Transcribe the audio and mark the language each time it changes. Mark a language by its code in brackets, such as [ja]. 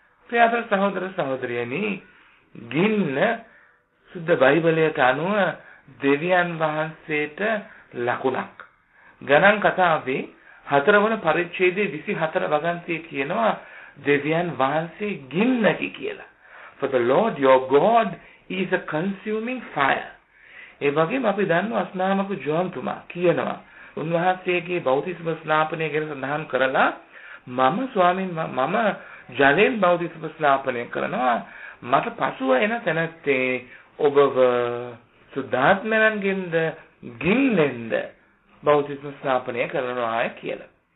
[si] ප්‍රියතර සහෝදර සහෝදරියනි, ගින්න සුද්ධ බයිබලයට අනුව දෙවියන් වහන්සේට ලකුණක්. ගණන් කතාවේ 4 වන පරිච්ඡේදයේ 24 වගන්තිය කියනවා දෙවියන් වහන්සේ ගින්නකි කියලා. [en] For the Lord your God is a consuming fire. [si] ඒ වගේම අපි දන්නවා අස්නාමක ජෝන්තුමා කියනවා උන්වහන්සේගේ බෞතිස්ම ස්නාපනය ගැන සඳහන් කරලා, මම ස්වාමීන් මම ජලයෙන් බෞතිස්ම ස්නාපනය කරනවා, මට පසුව එන තැනැත්තේ ඔබව සුද්ධාත්මයන්ගෙන්ද ගින්නෙන්ද බෞතිස්ම ස්ථාපනය කරනවාය කියලා.